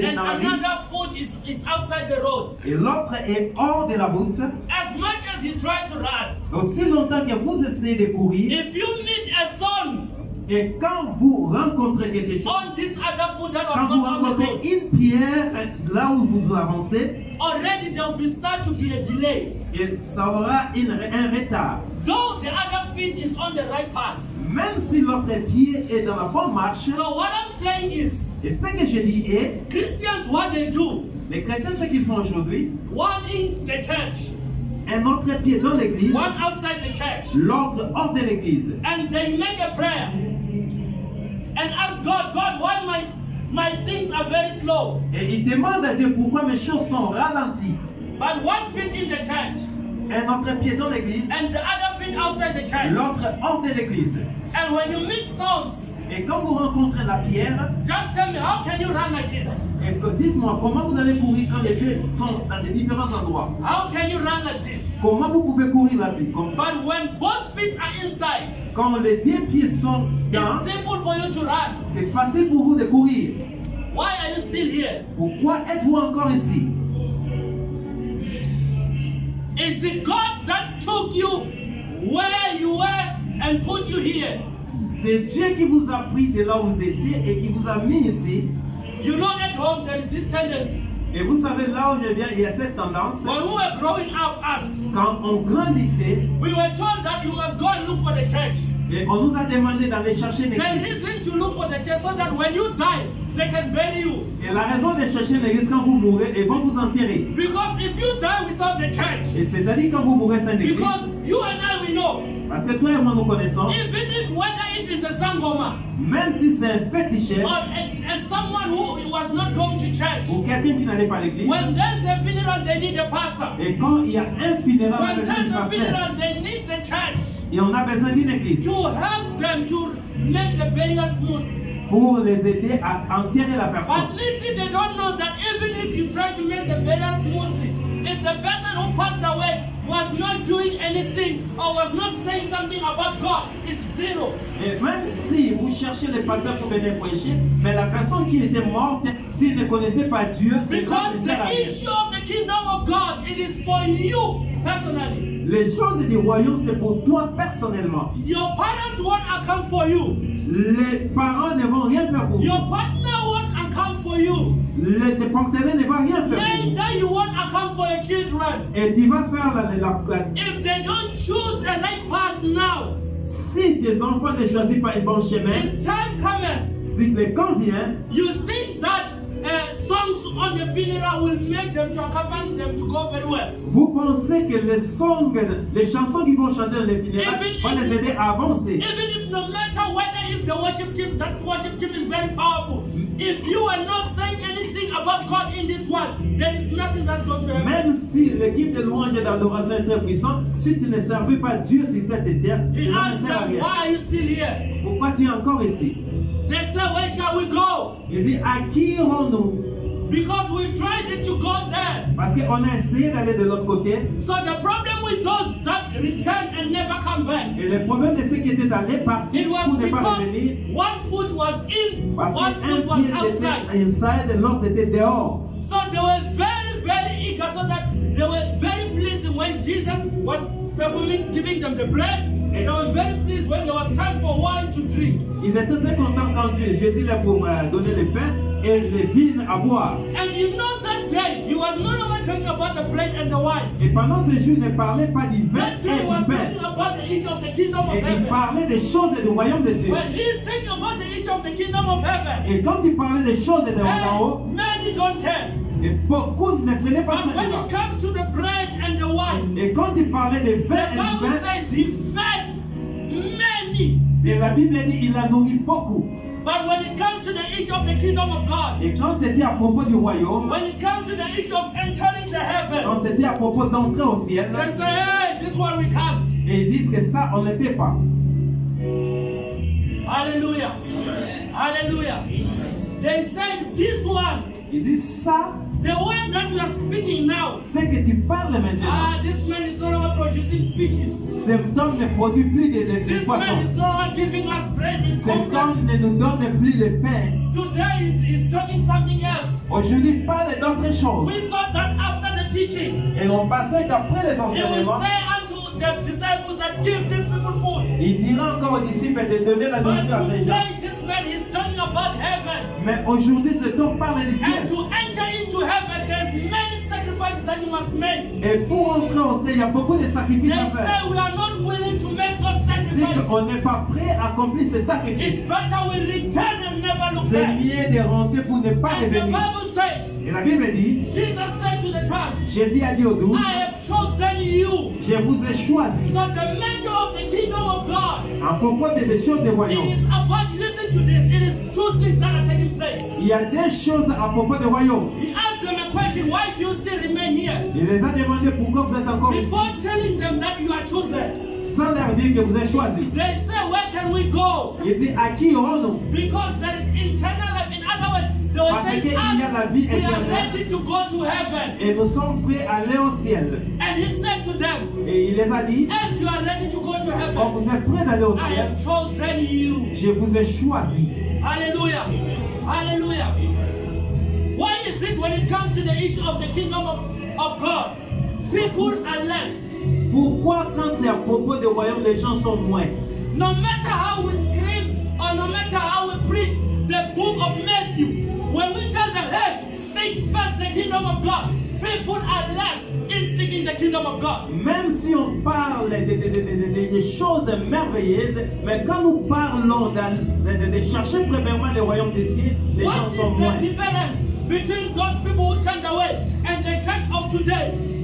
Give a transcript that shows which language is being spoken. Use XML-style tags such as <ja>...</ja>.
<en>And another foot is outside the road.</en> <fr>Et l'autre est hors de la route.</fr> <en>As much as you try to run.</en> <fr>Aussi longtemps que vous essayez de courir.</fr> <en>If you meet a thorn.</en> <fr>Et quand vous rencontrez quelque chose.</fr> <en>On this other foot that was</en> <fr>quand vous rencontrez une pierre là où vous avancez.</fr> <en>Already there will be start to be a delay.</en> <fr>Et ça aura un retard.</fr> <en>Though the other foot is on the right path.</en> <fr>Même si votre pied est dans la bonne marche.</fr> <en>So what I'm saying is,</en> <fr>et ce que je dis est,</fr> <en>Christians, what they do,</en> <fr>les chrétiens, ce qu'ils font aujourd'hui,</fr> <en>one in the church,</en> <fr>un autre pied dans l'église,</fr> <en>one outside the church,</en> <fr>l'autre hors de l'église,</fr> <en>and they make a prayer and ask God, God, why my things are very slow?</en> <fr>Et ils demandent à Dieu pourquoi mes choses sont ralenties.</fr> <en>But one foot in the church.</en> <fr>Un autre pied dans l'église.</fr> <en>And the other feet outside the church.</en> <fr>L'autre hors de l'église.</fr> <en>And when you meet thorns.</en> <fr>Et quand vous rencontrez la pierre.</fr> <en>Just tell me, how can you run like this?</en> <fr>Et dites-moi, comment vous allez courir quand les pieds sont dans des différents endroits?</fr> <en>How can you run like this?</en> <fr>Comment vous pouvez courir la vie comme ça?</fr> <en>But when both feet are inside.</en> <fr>Quand les deux pieds sont dans.</fr> <en>It's simple for you to run.</en> <fr>C'est facile pour vous de courir.</fr> <en>Why are you still here?</en> <fr>Pourquoi êtes-vous encore ici?</fr> <en>Is it God that took you where you were and put you here?</en> <fr>C'est Dieu qui vous a pris de là où vous étiez et qui vous a mis ici.</fr> <en>You know at home there is this tendency.</en> <fr>Et vous savez là où je viens, il y a cette tendance.</fr> <en>When we were growing up, us.</en> <fr>Quand on grandissait.</fr> <en>We were told that you must go and look for the church.</en> <fr>Et on nous a demandé d'aller chercher l'église.</fr> <en>The reason to look for the church so that when you die, they can bury you.</en> <fr>Et la raison de chercher l'église quand vous mourrez, ils vont vous enterrer.</fr> <en>Because if you die without the church.</en> <fr>Et c'est-à-dire quand vous mourrez sans l'église.</fr> <en>Because you and I, we know.</en> <fr>Parce que toi et moi nous connaissons.</fr> <en>Even if whether it is a sangoma.</en> <fr>Même si c'est un fétiche.</fr> <en>Or someone who was not going to church.</en> <fr>Ou quelqu'un qui n'allait pas à l'église.</fr> <en>When there's a funeral, they need a pastor.</en> <fr>Et quand il y a un funeral,</fr> <en>when there's a funeral, they need the church.</en> <fr>Et on a besoin d'une église.</fr> <en>To help them to make the burial smooth.</en> <fr>Pour les aider à enterrer la personne.</fr> <en>But little they don't know that even if you try to make the burial smooth, if the person who passed away was not doing anything or was not saying something about God, it's zero.</en> <fr>Et même si vous cherchez le pasteur pour venir prêcher, mais la personne qui était morte, s'il ne connaissait pas Dieu,</fr> <en>because the issue of the kingdom of God, it is for you personally.</en> <fr>Les choses du royaume, c'est pour toi personnellement.</fr> <en>Your parents won't account for you.</en> <fr>Les parents ne vont rien faire pour</fr> <en>you. Your partner won't account for you.</en> <fr>Les partenaires ne vont rien faire.</fr> <en>Later you won't account for your children.</en> <fr>Et tu vas faire la</fr> <en>if they don't choose the right path now.</en> <fr>si tes enfants ne choisissent pas le bon chemin,</fr> <en>if time cometh,</en> <fr>si le temps vient,</fr> <en>you think that songs on the funeral will make them to accompany them to go very well.</en> <fr>Vous pensez que les songs, les chansons qu'ils vont chanter dans les funérailles vont les aider à avancer?</fr> <en>Even if no matter whether if the worship team, that worship team is very powerful, if you are not saying anything about God in this world, there is nothing that's going to happen.</en> <fr>Même si l'équipe de louange et d'adoration est très puissante, si tu ne servis pas Dieu sur cette terre,</fr> <en>he asked them, why are you still here?</en> <fr>Pourquoi tu es encore ici?</fr> <en>They say, where shall we go?</en> <fr>Il dit, à qui irons-nous?</fr> <en>Because we tried it to go there.</en> <fr>Parce qu'on a essayé d'aller de l'autre côté.</fr> <en>So the problem with those that return and never come back.</en> <fr>Et le problème de ceux qui étaient allés partir pour ne pas revenir.</fr> <en>It was because one foot was in, one foot was outside. Inside, the Lord</en> <fr>était dehors.</fr> <en>So they were very, very eager, so that they were very pleased when Jesus was performing, giving them the bread. And they were very pleased when there was time for wine to drink.</en> <fr>Ils étaient très contents quand Jésus leur pour donner le pain et le vin à boire.</fr> <en>And you know that day, he was no longer talking about the bread and the wine.</en> <fr>Et pendant ce jour, il ne parlait pas du vin et du pain.</fr> <en>That day was talking about the issue of the kingdom of heaven.</en> <fr>Et il parlait des choses du royaume des cieux.</fr> <en>When he is talking about the issue of the kingdom of heaven.</en> <fr>Et quand il parlait des choses de l'en haut,</fr> <en>many don't care.</en> <fr>Et beaucoup ne prenaient pas ça.</fr> <en>When it comes to the bread and the wine.</en> <fr>Et quand il parlait des vins et du pain,</fr> <en>says he fed many.</en> <fr>Et la Bible dit il a nourri beaucoup.</fr> <en>But when it comes to the issue of the kingdom of God,</en> <fr>et quand c'était à propos du royaume,</fr> <en>when it comes to the issue of entering the heaven,</en> <fr>quand c'était à propos d'entrer au ciel,</fr> <en>they say, hey, this one we can't.</en> <fr>Et ils disent que ça on ne peut pas.</fr> <en>Alléluia. Alléluia. They said this one.</en> <fr>Ils disent ça.</fr> <en>The one that we are speaking now.</en> <fr>C'est que tu parles maintenant.</fr> <en>Ah, this man is no longer producing fishes.</en> <fr>Cet homme ne produit plus de</fr> <en>this</en> <fr>poissons.</fr> <en>This man is no longer giving us bread in conferences.</en> <fr>Cet homme ne nous donne plus le pain.</fr> <en>Today he's talking something else.</en> <fr>Aujourd'hui, il parle d'autre chose.</fr> <en>We thought that after the teaching.</en> <fr>Et on pensait qu'après les enseignements.</fr> <en>He will say unto the disciples that give these people food.</en> <fr>Il dira encore aux disciples de donner la nourriture à ces gens.</fr> <en>He's talking about heaven.</en> <fr>Mais aujourd'hui, cet homme parle du ciel.</fr> <en>And to enter into heaven, there's many sacrifices that you must make.</en> <fr>Et pour entrer au ciel, il y a beaucoup de sacrifices</fr> <en>they</en> <fr>à faire.</fr> <en>They say we are not willing to make those sacrifices.</en> <fr>On n'est pas prêt à accomplir ces sacrifices.</fr> <en>It's better we return and never look back.</en> <fr>C'est mieux de rentrer pour ne pas revenir.</fr> <en>And the Bible says.</en> <fr>Et la Bible dit.</fr> <en>Jesus said to the 12.</en> <fr>Jésus a dit aux 12.</fr> <en>I have chosen you.</en> <fr>Je vous ai choisi.</fr> <en>So the matter of the kingdom of God.</en> <fr>À propos des choses des royaumes.</fr> <en>It is about listening. To this, it is two things that are taking place.</en> <fr>Il y a des choses à propos du royaume.</fr> <en>He asked them a question, why do you still remain here?</en> <fr>Il les a demandé pourquoi vous êtes encore.</fr> <en>Before telling them that you are chosen.</en> <fr>Sans leur dire que vous êtes choisi.</fr> <en>They say, where can we go?</en> <fr>Il dit, à qui irons-nous?</fr> <en>Because there is internal life. In other words, they were</en> <fr>parce</fr> <en>saying,</en> <fr>y a la vie</fr> <en>we are ready to go to heaven.</en> <fr>Et nous sommes prêts à aller au ciel.</fr> <en>And he said to them,</en> <fr>et il les a dit,</fr> <en>as you are ready to go to heaven,</en> <fr>oh, vous êtes prêts d'aller au ciel,</fr> <en>I have chosen you.</en> <fr>Je vous ai choisi. Alléluia. Alléluia.</fr> <en>Why is it when it comes to the issue of the kingdom of God, people are less?</en> <fr>Pourquoi quand c'est à propos du royaume, les gens sont moins?</fr> <en>No matter how we scream or no matter how we preach the book of Matthew, when we tell them, hey, seek first the kingdom of God, people are less in seeking the kingdom of God.</en> <fr>Même si on parle des choses merveilleuses, mais quand nous parlons de chercher premièrement le royaume des cieux, les</fr> <en>what</en> <fr>gens sont</fr> <en>is</en> <fr>moins.</fr> <en>The difference between those people who turned away and the church of today?</en>